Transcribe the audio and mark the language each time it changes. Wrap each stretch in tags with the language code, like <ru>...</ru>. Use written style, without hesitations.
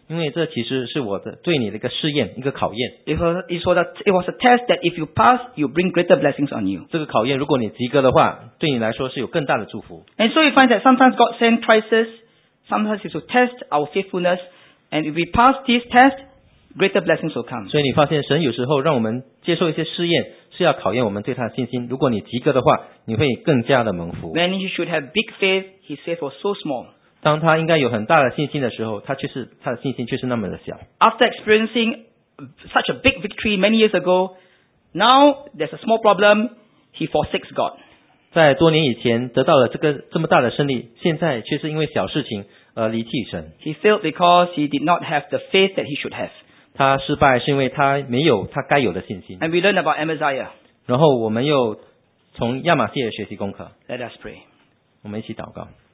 <zh>因为这其实是我的对你的一个试验一个考验。</zh> <en>It was a test that if you pass, you bring greater blessings on you.</en> <zh>这个考验如果你及格的话对你来说是有更大的祝福。</zh> <en>And so you find that sometimes God sends crisis, sometimes it's to test our faithfulness, and if we pass this test, greater blessings will come.</en> <zh>所以你发现神有时候让我们接受一些试验是要考验我们对他的信心。如果你及格的话你会更加的蒙福。</zh> <en>When you should have big faith,His faith was so small.</en> <zh>当他应该有很大的信心的时候，他的信心却是那么的小。</zh> <en>After experiencing such a big victory many years ago, now there's a small problem. He forsakes God.</en> <zh>在多年以前得到了这么大的胜利，现在却是因为小事情而离弃神。</zh> <en>He failed because he did not have the faith that he should have.</en> <zh>他失败是因为他没有他该有的信心。</zh> <en>And we learn about Amaziah.</en> <zh>然后我们又从亚玛谢学习功课。</zh> <en>Let us pray.</en> <zh>我们一起祷告。</zh>